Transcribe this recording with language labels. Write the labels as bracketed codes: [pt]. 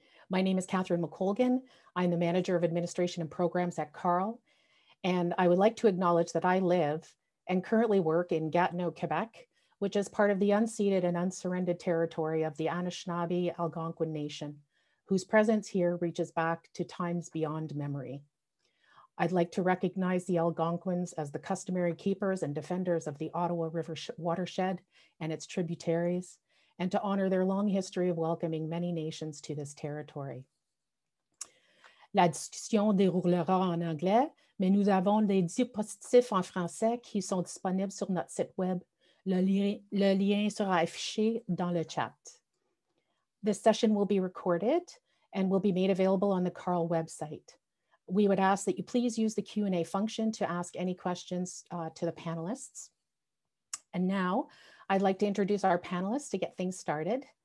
[en] My name is Catherine McColgan. I'm the Manager of Administration and Programs at CURL, and I would like to acknowledge that I live and currently work in Gatineau, Quebec, which is part of the unceded and unsurrendered territory of the Anishinaabe Algonquin Nation, whose presence here reaches back to times beyond memory. I'd like to recognize the Algonquins as the customary keepers and defenders of the Ottawa River watershed and its tributaries, and to honor their long history of welcoming many nations to this territory. [fr] La discussion déroulera en anglais, mais nous avons des diapositives en français qui sont disponibles sur notre site web. Le lien sera affiché dans le chat. [en] This session will be recorded and will be made available on the CURL website. We would ask that you please use the Q&A function to ask any questions to the panelists. And now I'd like to introduce our panelists to get things started.